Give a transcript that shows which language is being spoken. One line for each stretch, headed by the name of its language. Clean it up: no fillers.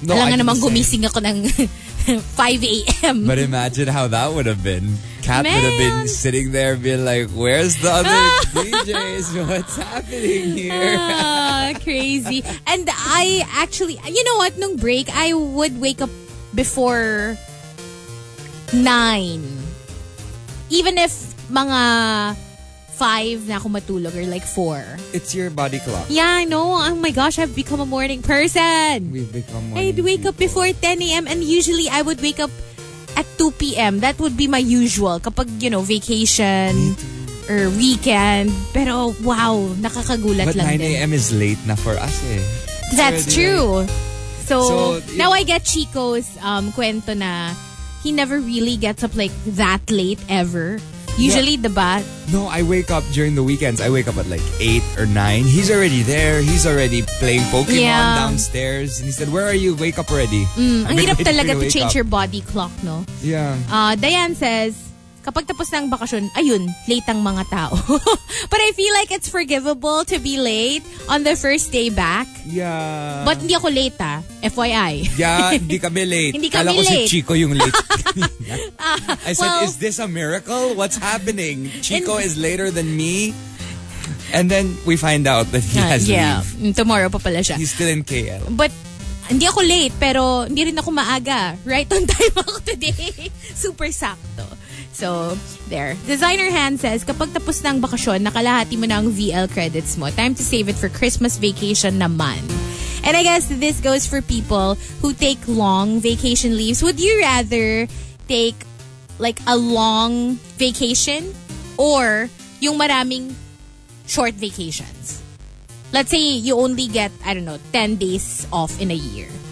Filipino: No, alam nga naman gumising ako ng 5 a.m.
English: But imagine how that would have been. Kat would have been sitting there being like, where's the other DJs? What's happening here? Crazy. And I actually, you know what? Nung break, I would wake up before 9. Even if
Filipino: mga 5 na ako matulog
English: or like 4. It's your body clock. Yeah, I know. Oh my gosh, I've become a morning person. We've become morning I'd wake people. Up before 10 a.m. and usually I would wake up at 2 p.m. That would be my usual. Kapag, you know, vacation or weekend.
Filipino: Pero, wow, nakakagulat
English: but
Filipino: lang din.
English: But 9 a.m. is late na for us eh. That's so, true. Like, so, now I get Chico's
Filipino: kwento na
English: he never really gets up like that late ever. Usually, yeah. Diba? No, I wake up during the weekends. I wake up at like 8 or 9. He's already there. He's already playing Pokemon downstairs. And he said, where are you? Wake up already.
Filipino: Ang hirap talaga
English: to change your body clock, no? Yeah.
Filipino: Diane says, kapag tapos na ang bakasyon, ayun, late ang mga tao.
English: But I feel like it's forgivable to be late on the first day back. Yeah.
Filipino: But hindi ako late, ha? FYI. Yeah, hindi kami late. Hindi kami Kala
English: late.
Filipino: Kala ko si Chico yung late.
English: I said, is this a miracle? What's happening? Chico is later than me? And then we find out that he has leave.
Filipino: Tomorrow pa pala siya.
English: He's still in KL.
Filipino: But hindi ako late, pero hindi rin ako maaga.
English: Right on time ako today.
Filipino: Super sakto.
English: So, there.
Filipino: Designer Han says, kapag tapos na ang bakasyon, nakalahati mo na ang VL credits mo.
English: Time to save it for Christmas vacation naman. And I guess this goes for people who take long vacation leaves. Would you rather take, like, a long vacation or
Filipino: yung maraming
English: short vacations? Let's say you only get, I don't know, 10 days off in a year.